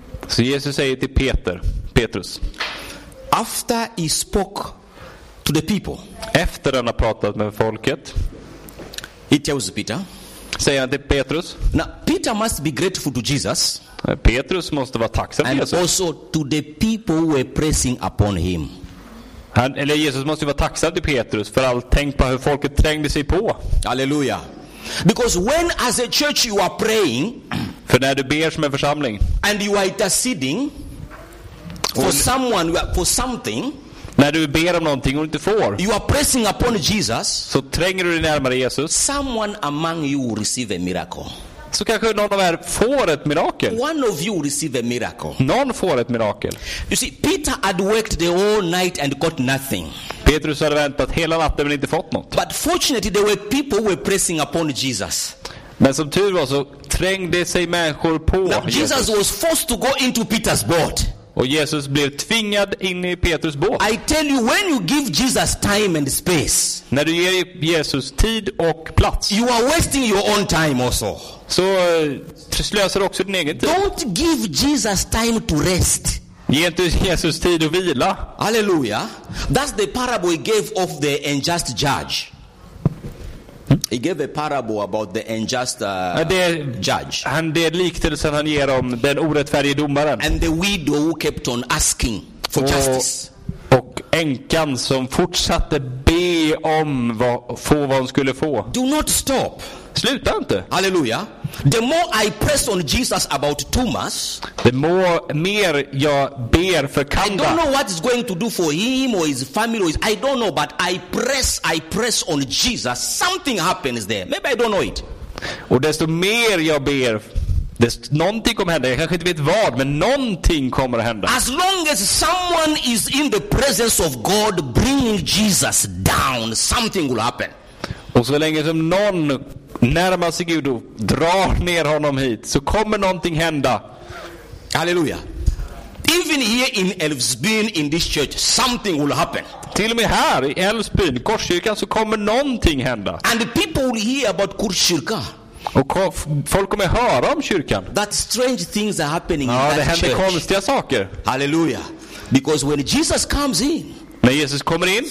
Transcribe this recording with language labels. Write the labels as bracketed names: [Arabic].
[Swedish] Så Jesus säger till Petrus. [English] After he spoke to the people. [Swedish] Efter han har pratat med folket. [English] He tells Peter. [Swedish] Säger han till Petrus. [English] Now Peter must be grateful to Jesus. [Swedish] Petrus måste vara tacksam till Jesus. [English] And also to the people who were pressing upon him. [Swedish] Eller Jesus måste ju vara tacksam till Petrus för allt, tänk på hur folket trängde sig på. Halleluja. [English] Because when as a church you are praying, [Swedish] för när du ber som en församling, [English] and you are interceding for someone, for something, [Swedish] när du ber om någonting och inte får, [English] you are pressing upon Jesus, [Swedish] så tränger du dig närmare Jesus. [English] Someone among you will receive a miracle. [Swedish] Så kanske någon av er får ett mirakel. [English] One of you receive a miracle. [Swedish] Någon får ett mirakel. [English] You see, Peter had worked the whole night and got nothing. [Swedish] Petrus hade väntat hela natten men inte fått något. [English] But fortunately there were people who were pressing upon Jesus. [Swedish] Men som tur var så trängde sig människor på. [English] Now, Jesus was forced to go into Peter's boat. [Swedish] Och Jesus blev tvingad in i Petrus båt. [English] I tell you, when you give Jesus time and space, [Swedish] när du ger Jesus tid och plats, [English] you are wasting your own time also. [Swedish] Så slösar också din egen tid. [English] Don't give Jesus time to rest. [Swedish] Ge inte Jesus tid att vila. Halleluja. [English] That's the parable he gave of the unjust judge. He gave a parable about the unjust judge. [Swedish] Han det liknelsen han ger om den orättfärdige domaren. [English] And the widow who kept on asking for justice. [Swedish] Och änkan som fortsatte be om vad få vad hon skulle få. [English] Do not stop. [Swedish] Sluta inte. [English] Halleluja. The more I press on Jesus about Thomas, [Swedish] the mer jag ber för Kanda. [English] I don't know what is going to do for him or his family or his, I don't know, but I press on Jesus. Something happens there. Maybe I don't know it. [Swedish] Och desto mer jag ber, någonting kommer hända. Jag kanske inte vet vad, men någonting kommer att hända. [English] As long as someone is in the presence of God bringing Jesus down, something will happen. [Swedish] Och så länge som någon närmar sig Gud och drar ner honom hit, så kommer någonting hända. Halleluja. [English] Even here in Älvsbyn, in this church, something will happen. [Swedish] Till och med här i Älvsbyn, Korskyrkan, så kommer någonting hända. [English] And the people will hear about Korskyrka. [Swedish] Och folk kommer höra om kyrkan. [English] That strange things are happening, [Swedish] ja, [English] in that [Swedish] det händer [English] church. [Swedish] Konstiga saker. [English] Halleluja. Because when Jesus comes in, [Swedish] när Jesus kommer in,